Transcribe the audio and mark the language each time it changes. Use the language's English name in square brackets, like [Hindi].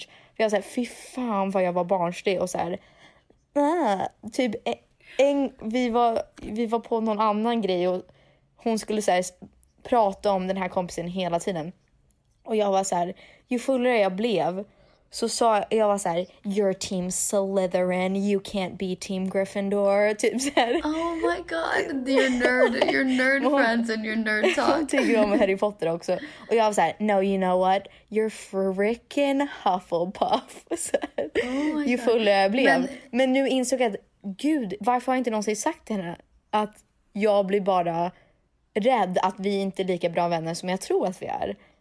[Swedish] För jag så här, fy fan vad jag var barnslig. Och så här, typ, vi var på någon annan grej. Och hon skulle så här, prata om den här kompisen hela tiden. Och jag var så här, ju fullare jag blev, så sa jag var så här, [English] you're team Slytherin, you can't be team Gryffindor, [Swedish] typ så här. [English] Oh my god, your nerd friends and your nerd talk. [Swedish] Tänker om Harry Potter också. Och jag var så här, [English] no, you know what? You're freaking Hufflepuff. [Swedish] Så här, [English] oh my [Swedish] ju [English] god. [Swedish] Full jag blev. Men nu insåg jag att, gud, varför har inte någon sagt till henne att jag blir bara rädd att vi inte är lika bra vänner som jag tror att vi är.